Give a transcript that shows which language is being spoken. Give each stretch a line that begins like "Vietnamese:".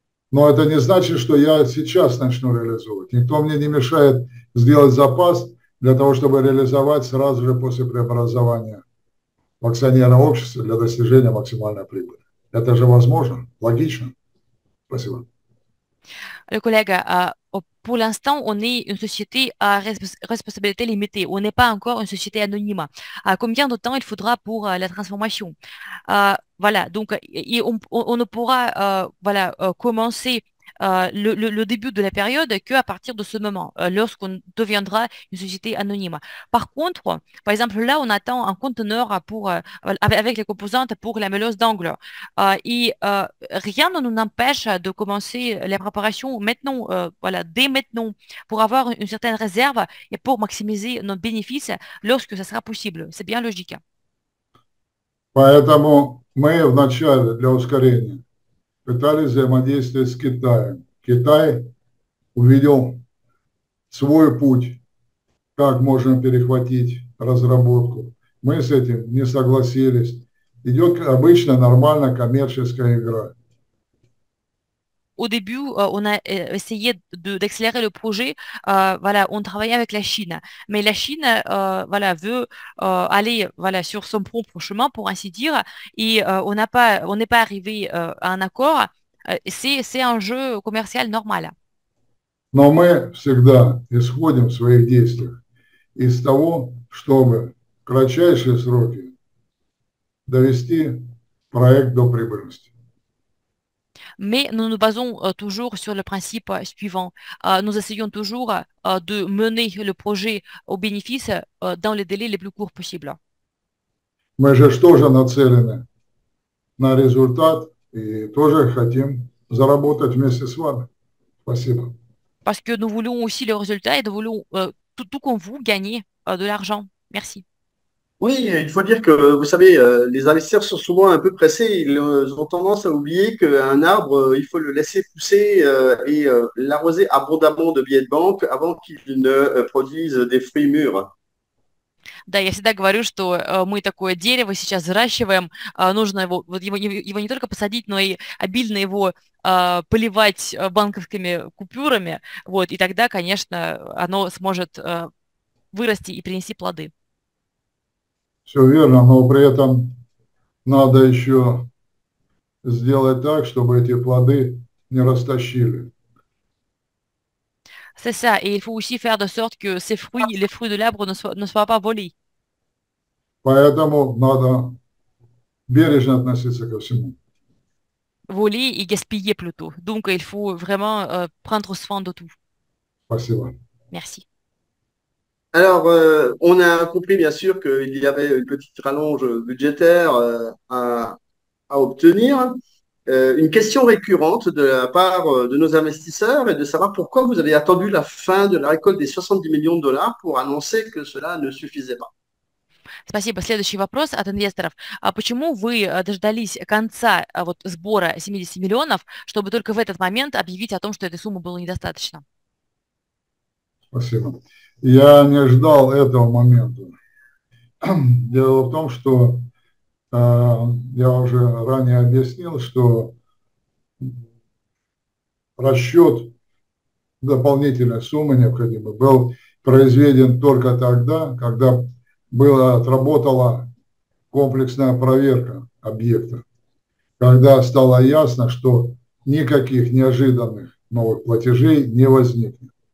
Russian: Но это не значит, что я сейчас начну реализовывать. Никто мне не мешает сделать запас для того, чтобы реализовать сразу же после преобразования в акционерное общество для достижения максимальной прибыли. Это же возможно, логично. Спасибо.
French: Le collègue, pour l'instant, on est une société à responsabilité limitée. On n'est pas encore une société anonyme. Combien de temps il faudra pour la transformation? Voilà, donc et on ne pourra voilà, commencer le début de la période qu'à partir de ce moment, lorsqu'on deviendra une société anonyme. Par contre, par exemple, là, on attend un conteneur avec les composantes pour la meuleuse d'angle. Rien ne nous empêche de commencer la préparation maintenant, voilà, dès maintenant, pour avoir une certaine réserve et pour maximiser nos bénéfices lorsque ça sera possible. C'est bien logique.
Russian: Поэтому мы вначале для ускорения пытались взаимодействовать с Китаем. Китай увидел свой путь, как можем перехватить разработку. Мы с этим не согласились. Идет обычная нормальная коммерческая игра.
French: Au début, on a essayé d'accélérer le projet. Voilà, on travaillait avec la Chine. Mais la Chine, voilà, veut aller, voilà, sur son propre chemin, pour ainsi dire. Et on n'est pas arrivé à un accord. C'est un jeu commercial normal.
Russian: Но мы всегда исходим в своих действиях из того, чтобы в кратчайшие сроки довести проект до прибыльности.
French: Mais nous nous basons toujours sur le principe suivant. Nous essayons toujours de mener le projet au bénéfice dans les délais les plus courts possibles.
Russian: Мы же тоже нацелены на результат и тоже хотим заработать вместе с вами. Спасибо.
French: Parce que nous voulons aussi le résultat et nous voulons tout comme vous gagner de l'argent. Merci. Oui, il faut dire que, vous savez, les investisseurs sont souvent un peu pressés. Ils ont tendance à oublier qu'un arbre, il faut le laisser pousser et l'arroser abondamment de billets de banque avant qu'il ne produise des fruits mûrs.
Russian: Да, я всегда говорю, что мы такое дерево сейчас взращиваем, нужно его, вот его не только посадить, но и обильно его поливать банковскими купюрами, вот, и тогда, конечно, оно сможет вырасти и принести плоды. Все верно, но при этом надо еще сделать так, чтобы эти плоды не растащили.
French: C'est ça, et il faut aussi faire de sorte que ces fruits, les fruits de l'arbre ne soient pas volés.
Russian: Поэтому надо бережно относиться ко всему.
French: Voler et gaspiller plutôt. Donc, il faut vraiment prendre soin de tout.
Russian: Спасибо.
French: Merci. Alors, on a compris bien sûr qu'il y avait une petite rallonge budgétaire à obtenir. Une question récurrente de la part de nos investisseurs est de savoir pourquoi vous avez attendu la fin de la récolte des 70 millions de dollars pour annoncer que cela ne suffisait pas.
Russian: Спасибо. Следующий вопрос от инвесторов. А почему вы дождались конца вот сбора 70 миллионов, чтобы только в этот момент объявить о том, что этой суммы было недостаточно? Спасибо. Я не ждал этого момента. Дело в том, что я уже ранее объяснил, что расчет дополнительной суммы необходимой был произведен только тогда, когда отработала комплексная проверка объекта, когда стало ясно, что никаких неожиданных новых платежей не возникнет.